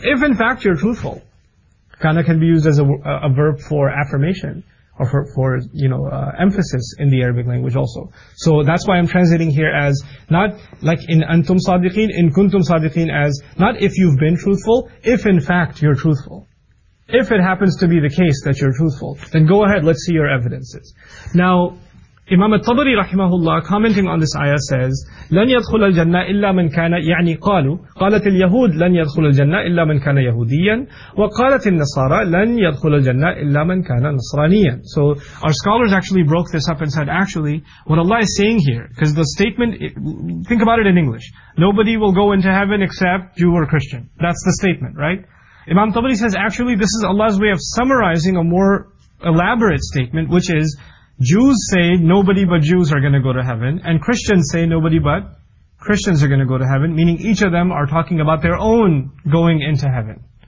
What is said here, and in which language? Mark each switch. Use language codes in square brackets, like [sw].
[en] If in fact you're truthful, kana can be used as a verb for affirmation or for emphasis in the Arabic language also. So that's why I'm translating here as not like [ar] in antum sadiqeen, in kuntum sadiqeen [en] as not if you've been truthful, if in fact you're truthful. If it happens to be the case that you're truthful, then go ahead, let's see your evidences. Now, Imam al-Tabari rahimahullah, commenting on this ayah says, [ar] لَنْ يَدْخُلَ الْجَنَّةِ إِلَّا مَنْ كَانَ يَعْنِي قَالُوا قَالَتِ الْيَهُودِ لَنْ يَدْخُلَ الْجَنَّةِ إِلَّا مَنْ كَانَ يَهُودِيًّا وَقَالَتِ النَّصَارَى لَنْ يَدْخُلَ الْجَنَّةِ إِلَّا مَنْ كَانَ نَصْرَانِيًّا. [en] So, our scholars actually broke this up and said, actually, what Allah is saying here, because the statement, think about it in English, nobody will go into heaven except Jew or Christian. That's the statement, right? Imam Tabari says, actually, this is Allah's way of summarizing a more elaborate statement, which is, Jews say nobody but Jews are going to go to heaven, and Christians say nobody but Christians are going to go to heaven, meaning each of them are talking about their own going into heaven.